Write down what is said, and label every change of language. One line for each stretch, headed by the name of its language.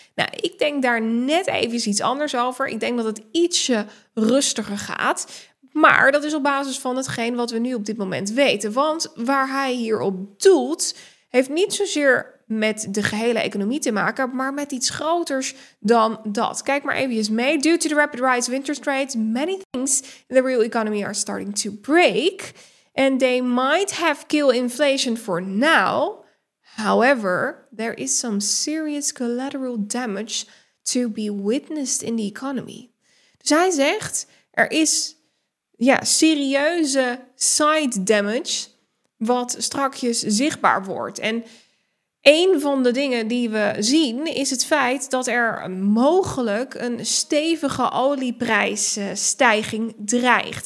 Dutch: Nou, ik denk daar net even iets anders over. Ik denk dat het ietsje rustiger gaat. Maar dat is op basis van hetgeen wat we nu op dit moment weten. Want waar hij hierop doelt, heeft niet zozeer met de gehele economie te maken, maar met iets groters dan dat. Kijk maar even mee.
English: Due to the rapid rise of interest rates, many things in the real economy are starting to break. And they might have killed inflation for now. However, there is some serious collateral damage to be witnessed in the economy.
Dutch: Dus hij zegt, er is serieuze
English: side damage
Dutch: wat strakjes zichtbaar wordt. En een van de dingen die we zien is het feit dat er mogelijk een stevige olieprijsstijging dreigt.